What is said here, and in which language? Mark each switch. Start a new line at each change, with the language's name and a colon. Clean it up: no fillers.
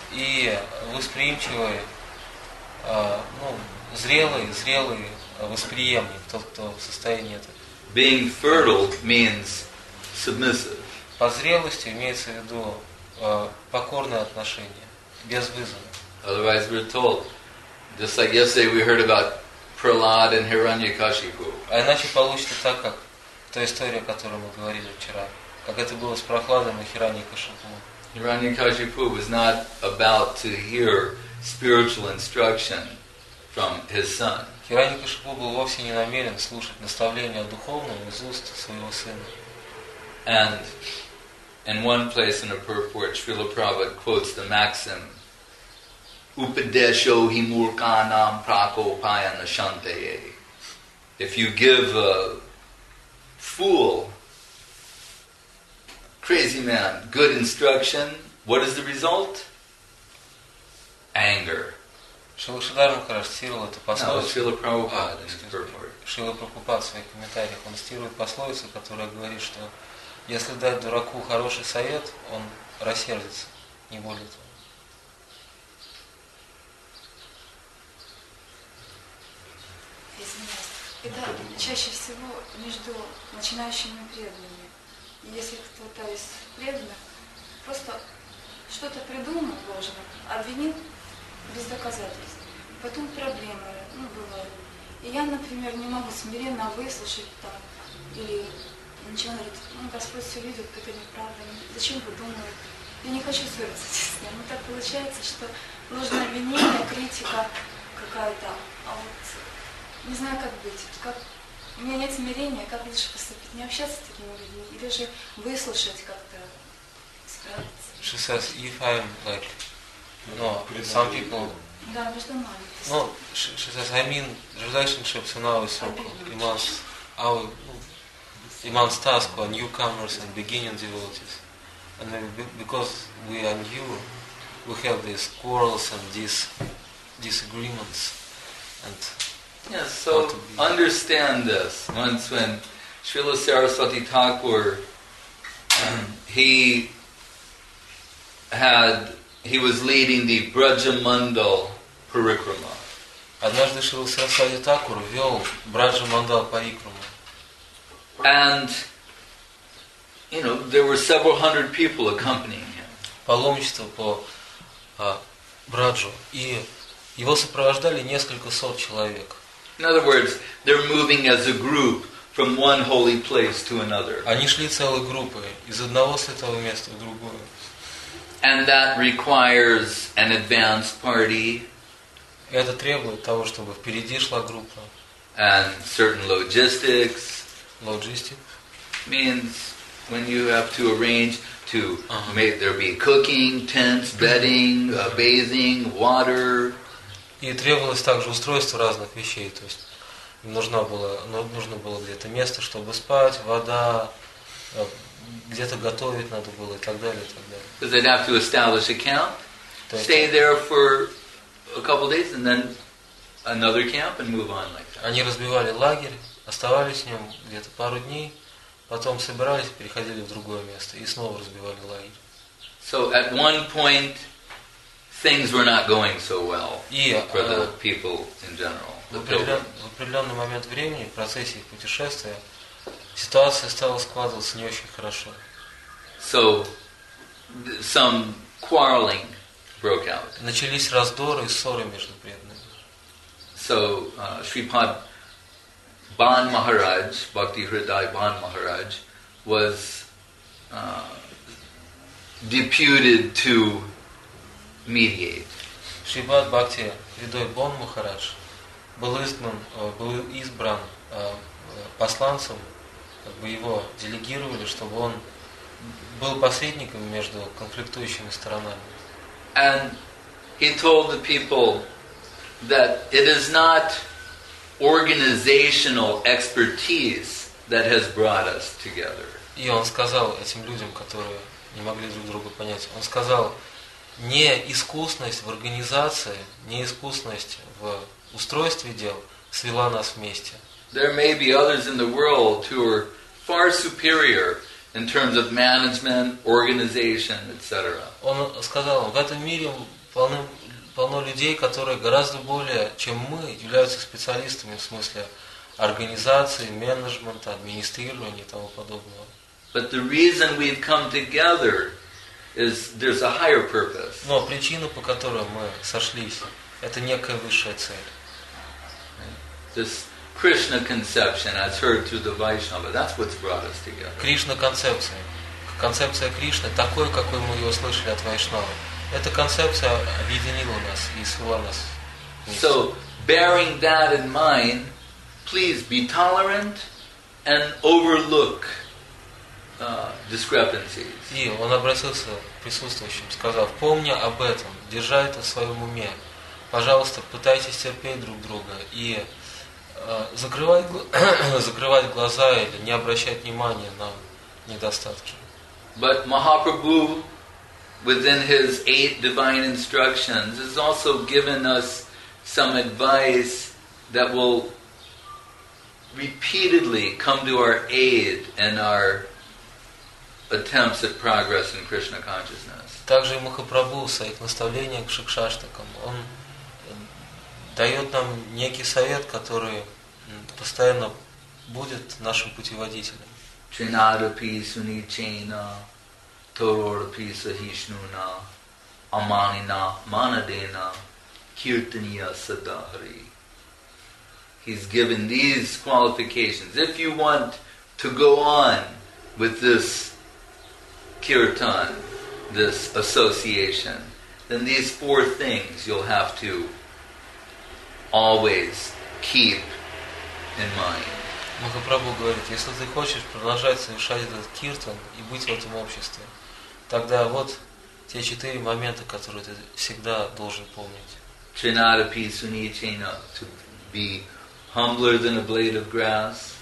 Russian: И восприимчивый. Ну, зрелый восприемник, тот, кто в состоянии это.
English: Being fertile means submissive.
Russian: Под зрелостью имеется в виду покорное отношение, без вызова.
English: Otherwise we're told, just like yesterday we heard about Prahlad and Hiranyakashipu.
Russian: А иначе получится так, как та история, о которой мы говорили вчера, как это было с Прохладом и Хираньякашипу.
English: Hiranyakashipu was not about to hear spiritual instruction from his son.
Russian: Хираньякашипу был вовсе не намерен слушать наставления духовного из уст своего сына.
English: And in one place in a purport, Srila Prabhupada quotes the maxim,
Sanskrit: "Upadesho hi murkanam prakopayana shanteye."
English: If you give a fool, crazy man, good instruction, what is the result? Anger.
Russian: Шиладарма характеризовал эту пословицу. Шрила Прабхупада. Шрила Прабхупада в своих комментариях он цитирует пословицу, которая говорит, что если дать дураку хороший совет, он рассердится, не более того. Извиняюсь. Это чаще всего между начинающими преданными. Если кто-то из преданных просто что-то придумал должно, обвинил без доказательств. Потом проблемы, ну, бывают. И я, например, не могу смиренно выслушать там, или ничего не говорить. Ну, Господь все видит, это неправда. Зачем вы думаете? Я не хочу ссориться с ним. Ну, так получается, что нужно обвинение, критика какая-то. А вот не знаю, как быть. Как... У меня нет смирения, как лучше поступить? Не общаться с такими людьми? Или же выслушать как-то, справиться?
English: She says, if I'm like... No, some people... No, she says, I mean, relationships in our circle, amongst task are newcomers and beginning devotees. And because we are new, we have these quarrels and these disagreements. And yes, so understand this. Once when Srila Saraswati Thakur, he was leading the Brajamandal Parikrama.
Russian: Однажды Шрила Сарасвати Такур вел Браджамандал Парикрама.
English: And, you know, there were several hundred people accompanying him.
Russian: Паломничество по Браджу. И его сопровождали несколько сот человек.
English: In other words, they're moving as a group from one holy place to another.
Russian: Они шли целой группой из одного святого места в другое.
English: And that requires an advanced party.
Russian: Это требует того, чтобы впереди шла группа.
English: And certain logistics. Logistic. Means when you have to arrange to make there be cooking, tents, bedding, bathing, water.
Russian: И требовалось также устройство разных вещей. То есть нужно было где-то место, чтобы спать, вода, где-то готовить надо было и так далее, и так далее.
English: Because they'd have to establish a camp, stay there for a couple of days and then another camp and move on like that.
Russian: Они разбивали лагерь, оставались в нем где-то пару дней, потом собирались, переходили в другое место и снова разбивали лагерь.
English: So at one point things were not going so well for the people in general.
Russian: В определенный момент времени, в процессе их путешествия, ситуация стала складываться не очень хорошо.
English: So some quarreling broke out.
Russian: Начались раздоры и ссоры между преданными.
English: So Shripad Ban Maharaj, Bhakti Hriday Ban Maharaj, was deputed to mediate.
Russian: Shripad Bhakti Hriday Ban Maharaj был избран посланцем, как бы его делегировали, чтобы он был посредником между конфликтующими сторонами.
English: And he told the people that it is not organizational expertise that has brought us together.
Russian: И он сказал этим людям, которые не могли друг друга понять, он сказал, не искусность в организации, не искусность в устройстве дел свела нас вместе.
English: There may be others in the world who are far superior in terms of management, organization, etc.
Russian: Он сказал, в этом мире полно людей, которые гораздо более, чем мы, являются специалистами в смысле организации, менеджмента, администрирования и тому подобного.
English: But the reason we've come together is there's a higher purpose.
Russian: Но причина, по которой мы сошлись, это некая высшая цель.
English: This Krishna conception, as heard through the Vaishnava, that's what's brought us together.
Russian: Кришна концепция, концепция Кришны такой, какой мы ее слышали от Вайшнавы. Эта концепция объединила нас и свела нас.
English: So, bearing that in mind, please be tolerant and overlook discrepancies.
Russian: И он обратился к присутствующим, сказав: помни об этом, держа это в своем уме. Пожалуйста, пытайтесь терпеть друг друга и закрывать глаза или не обращать внимания на недостатки.
English: But Mahaprabhu, within his 8 divine instructions, has also given us some advice that will repeatedly come to our aid in our attempts at progress in Krishna consciousness.
Russian: Также Махапрабху в своих наставлениях к шикшаштакам, он дает нам некий совет, который постоянно будет нашим путеводителем.
Sanskrit: Чинадапи суничейна, торорапи сахишнуна, аманина манадена, киртания садхари.
English: He's given these qualifications. If you want to go on with this kirtan, this association, then these 4 things you'll have to always keep in mind.
Russian: Махапрабху говорит, если ты хочешь продолжать совершать этот киртан и быть в этом обществе, тогда вот те 4 момента, которые ты всегда должен помнить.
Sanskrit: Trinadapi sunichena,
English: to be humbler than a blade of grass.